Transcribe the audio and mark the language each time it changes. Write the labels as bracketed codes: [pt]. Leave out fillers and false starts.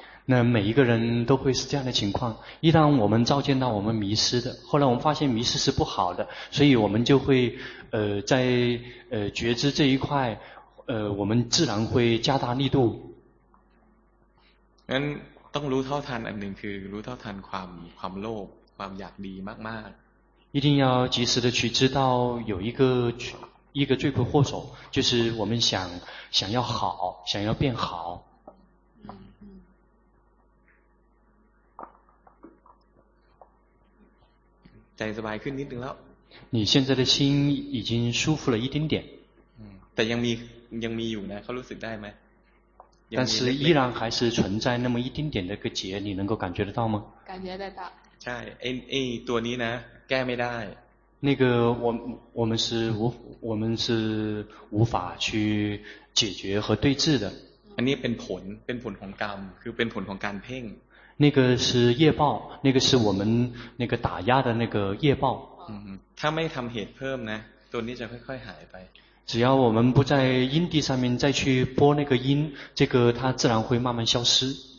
[zh] 那每一个人都会是这样的情况，一旦我们照见到我们迷失的，后来我们发现迷失是不好的，所以我们就会在觉知这一块我们自然会加大力度。 [th] 嗯，ต้องรู้เท่าทันอันหนึ่งคือรู้เท่าทันความโลภความอยากดีมากมาก [zh] 一定要及时的去知道有一个罪魁祸首，就是我们想要好，想要变好。 [th] ใจสบายขึ้นนิดนึงแล้ว [zh] 你现在的心已经舒服了一丁点。 [th] แต่ยังมีอยู่นะเขารู้สึกได้ไหม [zh] 但是依然还是存在那么一丁点的个结，你能够感觉得到吗？感觉得到。 [th] ใช่ไอ้ตัวนี้นะแก้ไม่ได้ [zh] 那个我们是无法去解决和对治的 [th] อันนี้เป็นผลของกรรมคือเป็นผลของการเพ่ง [zh] 那个是业报那个是我们那个打压的那个业报 [th] ถ้าไม่ทำเหตุเพิ่มนะตัวนี้จะค่อยๆหายไป [zh] 只要我们不在因地上面再去播那个因，这个它自然会慢慢消失。